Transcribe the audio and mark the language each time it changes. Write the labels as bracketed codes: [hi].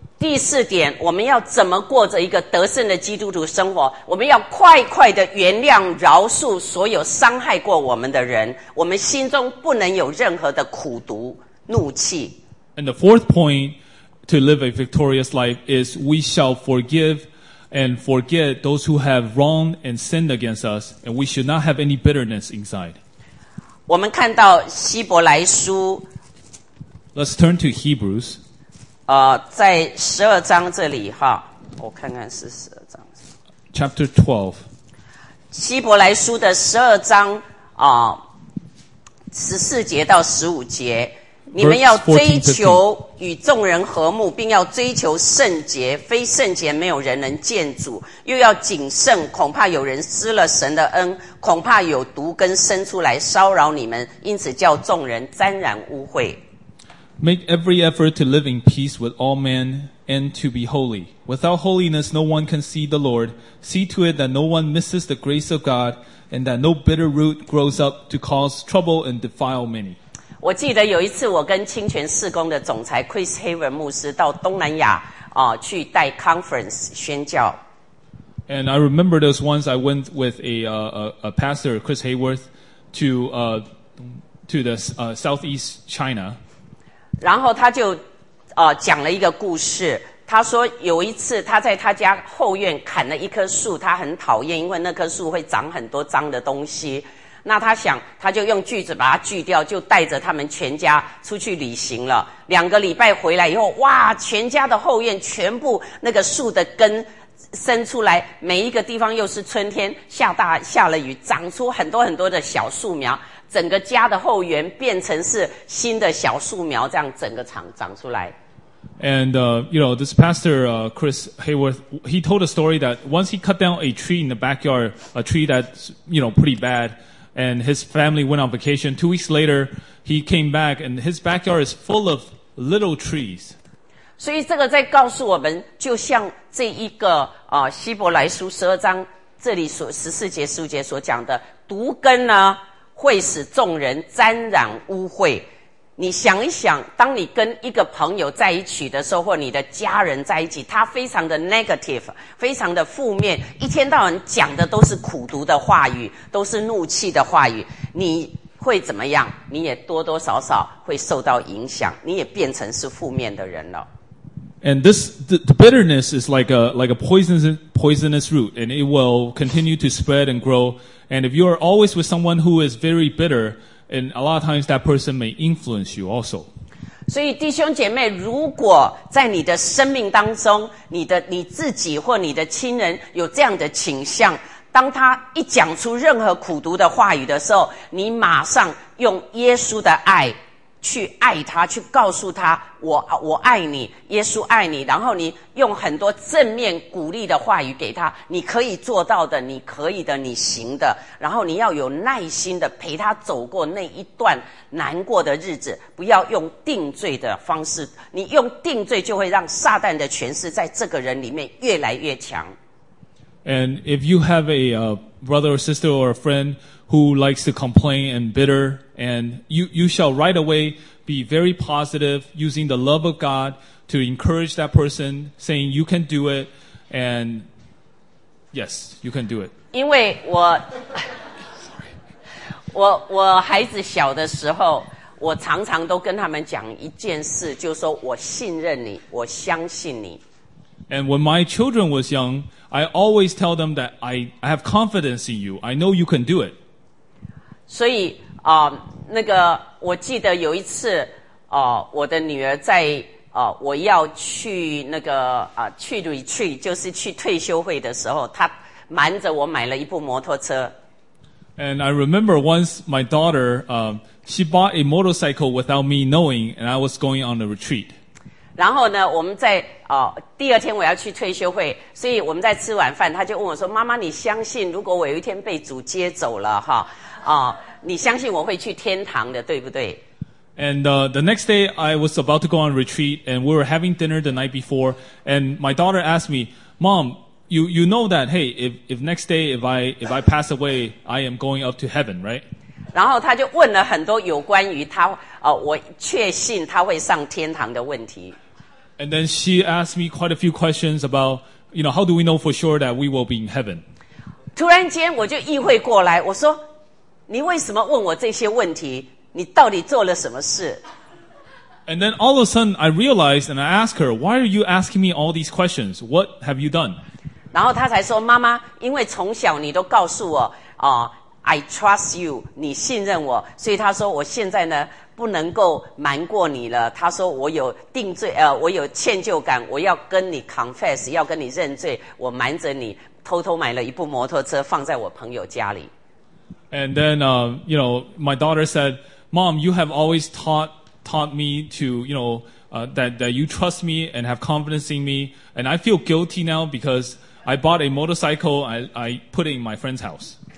[zh] 第四点，我们要怎么过着一个得胜的基督徒生活？我们要快快的原谅饶恕所有伤害过我们的人，我们心中不能有任何的苦毒怒气。 [en] And the fourth pointto live a victorious life is we shall forgive and forget those who have wronged and sinned against us, and we should not have any bitterness inside. [zh] 我们看到希伯来书。 [en] Let's turn to Hebrews. [zh] 在十二章这里哈，我看看是十二章。 [en] Chapter 12. [zh] 希伯来书的十二章十四节到十五节。你们要追求与众人和睦，并要追求圣洁，非圣洁没有人能见主，又要谨慎，恐怕有人失了神的恩，恐怕有毒根生出来骚扰你们，因此叫众人沾染污秽。 [en] Make every effort to live in peace with all men and to be holy. Without holiness, no one can see the Lord. See to it that no one misses the grace of God and that no bitter root grows up to cause trouble and defile many. [zh] 我记得有一次我跟清泉事工的总裁 Chris Haven 牧师到东南亚去带 conference 宣教。 [en] And I remember those ones I went with a pastor Chris Hayworth to the Southeast China. [zh] 然后他就讲了一个故事，他说有一次他在他家后院砍了一棵树，他很讨厌，因为那棵树会长很多脏的东西，那他想他就用锯子把它锯掉，就带着他们全家出去旅行了。两个礼拜回来以后，哇，全家的后院全部那个树的根伸出来，每一个地方又是春天，下了雨，长出很多很多的小树苗，整个家的后园变成是新的小树苗，这样整个长出来。 [en] And, you know, this pastor, Chris Hayworth, he told a story that once he cut down a tree in the backyard, a tree that's, you know, pretty bad,And his family went on vacation. 2 weeks later, he came back and his backyard is full of little trees. [zh] 所以这个在告诉我们，就像这一个希伯来书十二章这里所十四节十五节所讲的，毒根呢会使众人沾染污秽。你想一想，当你跟一个朋友在一起的时候，或你的家人在一起，他非常的 negative， 非常的负面，一天到晚讲的都是苦毒的话语，都是怒气的话语，你会怎么样？你也多多少少会受到影响，你也变成是负面的人了。 [en] And this, the bitterness is like a poisonous root, and it will continue to spread and grow. And if you are always with someone who is very bitter, and a lot of times that person may influence you also. [zh] 所以弟兄姐妹，如果在你的生命当中，你自己或你的亲人有这样的倾向，当他一讲出任何苦毒的话语的时候，你马上用耶稣的爱去爱他，去告诉他我爱你，耶稣爱你，然后你用很多正面鼓励的话语给他，你可以做到的，你可以的，你行的，然后你要有耐心的陪他走过那一段难过的日子，不要用定罪的方式，你用定罪就会让撒旦的权势在这个人里面越来越强。 [en] And if you have a brother or sister or a friend who likes to complain and bitter, and you shall right away be very positive using the love of God to encourage that person, saying you can do it, and yes, you can do it. [zh] 因为我孩子小的时候，我常常都跟他们讲一件事，就是说我信任你，我相信你。 [en] And when my children was young, I always tell them that I have confidence in you. I know you can do it. [zh] 所以那个我记得有一次我的女儿在我要去那个去 retreat， 就是去退休会的时候，她瞒着我买了一部摩托车。 [en] And I remember once my daughter, she bought a motorcycle without me knowing, and I was going on a retreat. [zh] 然后呢，我们在第二天我要去退休会，所以我们在吃晚饭，他就问我说：“妈妈，你相信如果我有一天被主接走了哈，你相信我会去天堂的，对不对 [en] ？”And the next day I was about to go on retreat, and we were having dinner the night before, and my daughter asked me, "Mom, you know that hey, if next day if I pass away, I am going up to heaven, right?" [zh] 然后他就问了很多有关于他。我确信他会上天堂的问题。 [en] And then she asked me quite a few questions about, you know, how do we know for sure that we will be in heaven? [zh] 突然间我就意会过来，我说，你为什么问我这些问题？你到底做了什么事？ [en] And then all of a sudden I realized and I asked her, why are you asking me all these questions? What have you done? [zh] 然后他才说，妈妈，因为从小你都告诉我， [en] I trust you, [zh] 你信任我，所以他说我现在呢不能够瞒过你了，他说我有定罪，我有歉疚感，我要跟你 confess， 要跟你认罪，我瞒着你偷偷买了一部摩托车放在我朋友家里。 [en] And then you know, my daughter said, Mom, you have always taught me to, you know, that you trust me and have confidence in me, and I feel guilty now because I bought a motorcycle I put it in my friend's house.